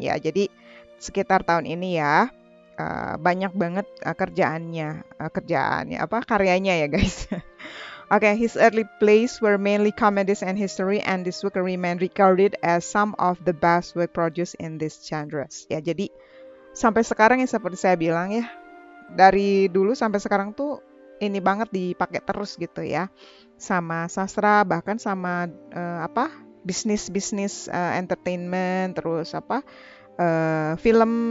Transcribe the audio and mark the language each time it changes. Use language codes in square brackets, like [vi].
[id] Ya, jadi sekitar tahun ini ya, banyak banget kerjaannya apa karyanya ya, guys. [en] Okay, his early plays were mainly comedies and history, and this work remained regarded as some of the best work produced in this genre. [id] Ya, jadi sampai sekarang ya, seperti saya bilang ya, dari dulu sampai sekarang tuh ini banget dipakai terus gitu ya, sama sastra, bahkan sama apa bisnis-bisnis entertainment, terus apa film.